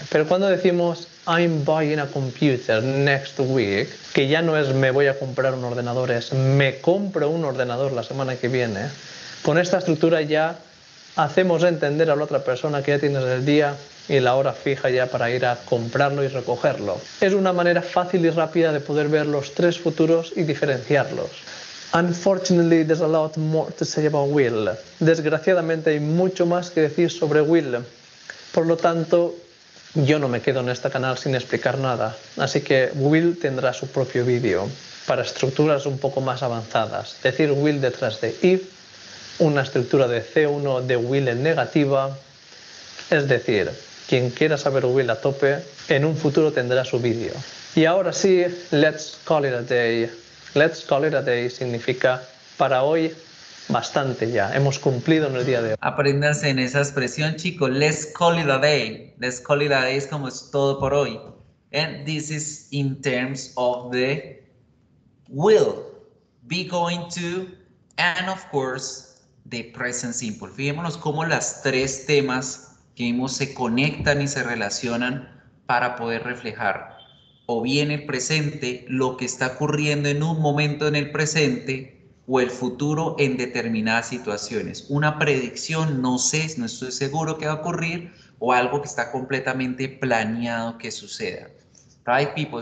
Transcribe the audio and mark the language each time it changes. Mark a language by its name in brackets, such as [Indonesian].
[Spanish] Pero cuando decimos [English] I'm buying a computer next week, [Spanish] que ya no es me voy a comprar un ordenador, es me compro un ordenador la semana que viene, con esta estructura ya hacemos entender a la otra persona que ya tienes el día y la hora fija ya para ir a comprarlo y recogerlo. Es una manera fácil y rápida de poder ver los tres futuros y diferenciarlos. [English] Unfortunately, there's a lot more to say about will. [Spanish] Desgraciadamente, hay mucho más que decir sobre will. Por lo tanto, yo no me quedo en este canal sin explicar nada. Así que will tendrá su propio vídeo para estructuras un poco más avanzadas. Decir will detrás de if, una estructura de C1 de will en negativa. Es decir, quien quiera saber will a tope, en un futuro tendrá su vídeo. Y ahora sí, [English] let's call it a day. Let's call it a day [Spanish] significa para hoy bastante ya. Hemos cumplido en el día de hoy. Apréndanse en esa expresión, chicos. [English] Let's call it a day. Let's call it a day [Spanish] es como es todo por hoy. [English] And this is in terms of the will be going to and of course the present simple. [Spanish] Fijémonos cómo las tres temas que vimos se conectan y se relacionan para poder reflejar o bien el presente, lo que está ocurriendo en un momento en el presente, o el futuro en determinadas situaciones. Una predicción, no sé, no estoy seguro que va a ocurrir, o algo que está completamente planeado que suceda. [English] Right, people?